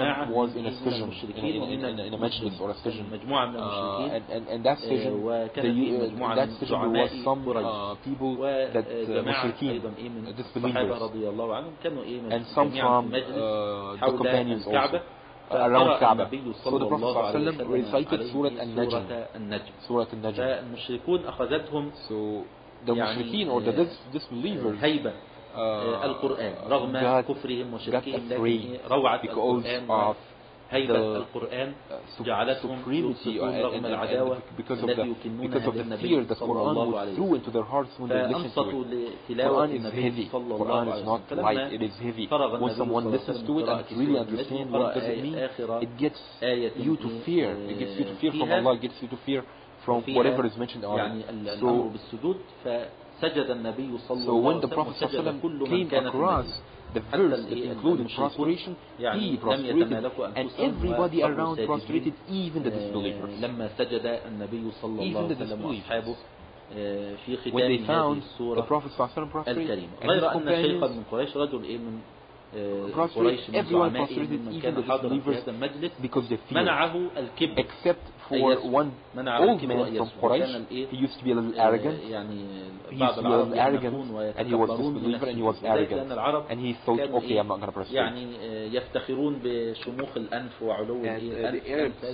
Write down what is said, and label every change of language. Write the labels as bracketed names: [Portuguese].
[English] was in a vision in a مجلس or a vision [Arabic] مجموعة من المشركين [English] and that vision that vision was some people that مشركين disbelievers [Arabic] رضي الله عنهم كانوا [English] and some from the companions also around Kaaba. So the Prophet [Arabic] صلى الله عليه وسلم [English] recited Surah النجم سورة النجم [Arabic] فالمشركون أخذتهم [English] so the مشركين or the disbelievers [Arabic] هيبة القرآن رغم كفرهم وشركهم لكن روعة القرآن هيبة القرآن جعلتهم يبصقون رغم العداوة الذي يكنونها للنبي صلى الله عليه وسلم فأنصتوا لتلاوة النبي صلى الله عليه وسلم [English] القرآن is not light, it is heavy. When someone listens to it and really understands what does it mean, it gets you to fear. It gets you to fear from Allah, it gets you to fear from whatever is mentioned on it. So [Arabic] سجد النبي صلى الله عليه وسلم. [English] So when the Prophet صلى الله عليه وسلم came across the verse that included prostration, he prostrated, and everybody around prostrated, even the disbelievers. [Arabic] لما سجد النبي صلى الله عليه وسلم وأصحابه في ختام هذه السورة الكريمة. غير أن شيخا من قريش رجل من قريش من زعمائه من كان حاضر في هذا المجلس منعه الكبر. [English] Except for one old man from Quraysh, he used to be a little arrogant. And he was a disbeliever and he was arrogant. And he thought, okay, I'm not going to prostrate. [Arabic] يعني يفتخرون بشموخ الأنف وعلو الأنف.